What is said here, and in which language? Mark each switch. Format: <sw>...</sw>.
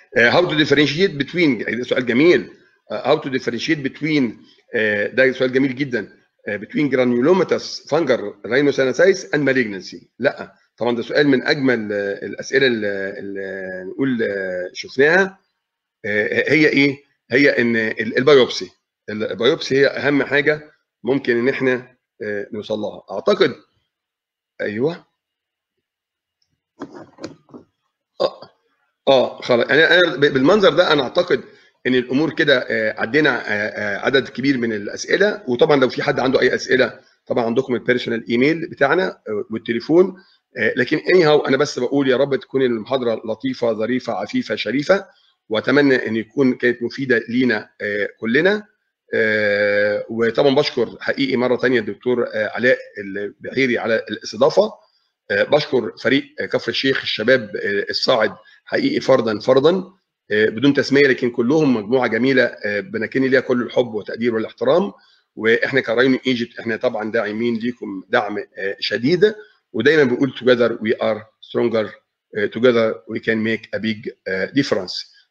<en>How to differentiate between</en> <ar>سؤال جميل.</ar> <en>How to differentiate between</en> <ar>ده سؤال جميل جدا.</ar> <en>Between granulomatous fungal rhinosinusitis and malignancy.</en> <ar>لا طبعا ده سؤال من أجمل الأسئلة اللي نقول شفناها. هي ايه؟ هي ان البيوبسي، هي اهم حاجه ممكن ان احنا نوصل لها اعتقد. ايوه خلاص. انا بالمنظر ده انا اعتقد ان الامور كده عدينا عدد كبير من الاسئله. وطبعا لو في حد عنده اي اسئله طبعا عندكم البيرسونال ايميل بتاعنا والتليفون. لكن anyhow انا بس بقول يا رب تكون المحاضره لطيفه ظريفه عفيفه شريفه، واتمنى ان يكون كانت مفيده لينا كلنا. وطبعا بشكر حقيقي مره ثانيه الدكتور علاء البحيري على الاستضافه. بشكر فريق كفر الشيخ الشباب الصاعد حقيقي فردا فردا بدون تسميه، لكن كلهم مجموعه جميله بنكني ليها كل الحب والتقدير والاحترام. واحنا كراين ايجيبت احنا طبعا داعمين ليكم دعم شديد، ودايما بقول</ar> <en>together we are stronger, together we can make a big difference.</en>